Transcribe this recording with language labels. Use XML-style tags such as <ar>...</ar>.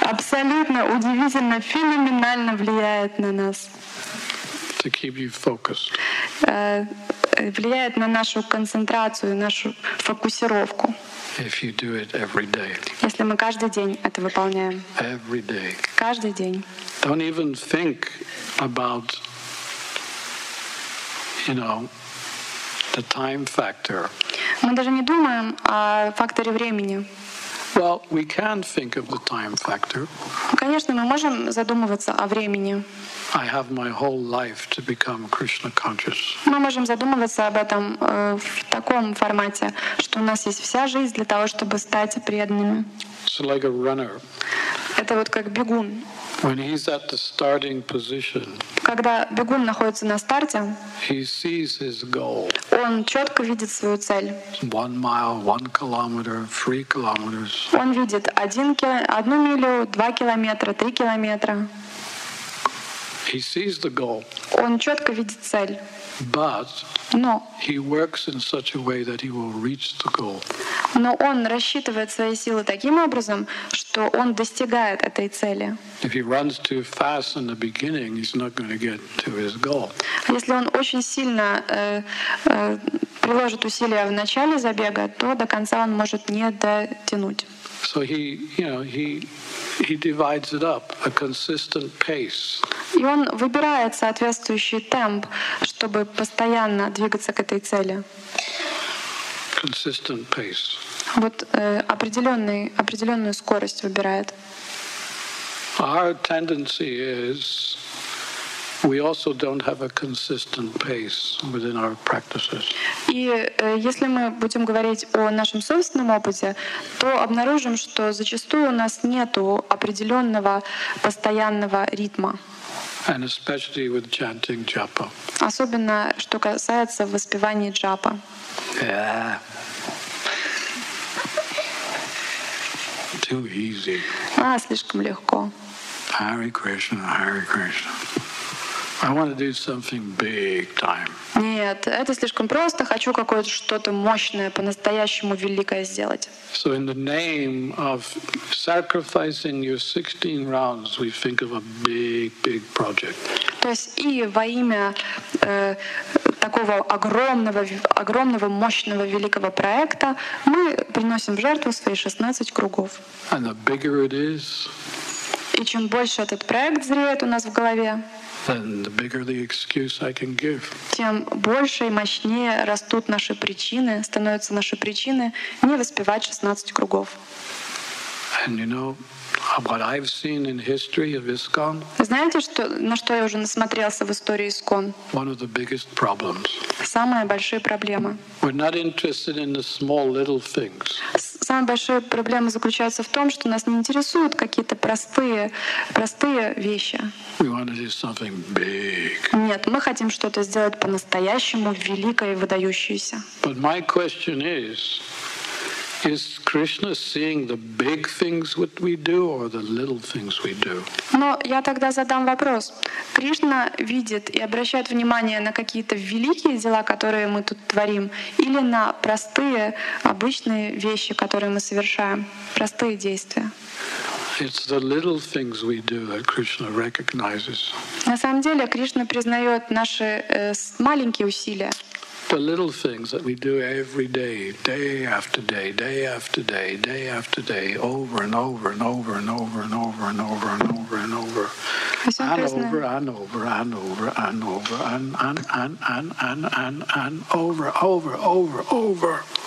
<ru>абсолютно удивительно, феноменально влияет на нас.</ru> <en>To keep you focused.</en> <ru>Влияет на нашу концентрацию, нашу фокусировку.</ru> <en>If you do it every day.</en> <ru>Если мы каждый день это выполняем.</ru> <en>Every day.</en> <ru>Каждый день.</ru> <en>Don't even think about, you know, the time factor.</en> <ru>Мы даже не думаем о факторе времени.</ru> <en>Well, we can think of the time factor.</en> <ru>Конечно, мы можем задумываться о времени.</ru> <en>I have my whole life to become Krishna conscious.</en> <ru>Мы можем задумываться об этом в таком формате, что у нас есть вся жизнь для того, чтобы стать преданными.</ru> <en>So like a runner.</en> <ru>Это вот как бегун.</ru> <en>When he's at the starting position.</en> <ru>Когда бегун находится на старте.</ru> <en>He sees his goal.</en> <ru>Он четко видит свою цель.</ru> <en>1 mile, 1 kilometer, 3 kilometers.</en> <ru>Он видит 1 милю, 2 километра, 3 километра.</ru> <en>He sees the goal.</en> <ru>Он четко видит цель.</ru> <en>But.</en> <ru>Но.</ru> <en>He works in such a way that he will reach the goal.</en> <ru>Но он рассчитывает свои силы таким образом, что он достигает этой цели.</ru> <en>If he runs too fast in the beginning, he's not going to get to his goal.</en> <ru>Если он очень сильно приложит усилия в начале забега, то до конца он может не дотянуть.</ru> <en>So he, you know, he divides it up, a consistent pace.</en> <ru>И он выбирает соответствующий темп, чтобы постоянно двигаться к этой цели.</ru> <en>Consistent pace.</en> <ru>Вот определенную скорость выбирает.</ru> <en>Our tendency is we also don't have a consistent pace within our practices.</en> <ru>И если мы будем говорить о нашем собственном опыте, то обнаружим, что зачастую у нас нету определенного постоянного ритма.</ru> <en>And especially with chanting japa.</en> <ru>Особенно что касается воспевания джапа.</ru> <en>Yeah. Too easy.</en> <ru>Слишком легко.</ru> <en>Hare Krishna, Hare Krishna. I want to do something big time.</en> <ru>Нет, это слишком просто. Хочу какое-то что-то мощное, по-настоящему великое сделать.</ru> <en>So in the name of sacrificing your 16 rounds, we think of a big, big project.</en> <ru>То есть и во имя такого огромного, мощного, великого проекта мы приносим в жертву свои 16 кругов.</ru> <en>And the bigger it is.</en> <ru>И чем больше этот проект зреет у нас в голове, тем больше и мощнее растут наши причины, становятся наши причины не воспевать 16 кругов.</ru> <en>And you know, what I've seen in history of ISKCON.</en> <ru>Знаете, что, на что я уже насмотрелся в истории ISKCON?</ru> <en>One of the biggest problems.</en> <ru>Самые большие проблемы.</ru> <en>We're not interested in the small little things.</en> <ru>Самая большая проблема заключается в том, что нас не интересуют какие-то простые вещи.</ru> <en>We want to do something big.</en> <ru>Нет, мы хотим что-то сделать по-настоящему великое и выдающееся.</ru> <en>But my question is. Is Krishna seeing the big things what we do or the little things we do?</en> <ru>Но я тогда задам вопрос. Кришна видит и обращает внимание на какие-то великие дела, которые мы тут творим, или на простые, обычные вещи, которые мы совершаем, простые действия?</ru> <en>It's the little things we do that Krishna recognizes.</en> <ru>На самом деле, Кришна признаёт наши маленькие усилия.</ru> <en>The little things that we do every day, day after day, day after day, day after day, over and over and over and over and over and over and over and over and over and over and over and over and over and over and over and over.</en>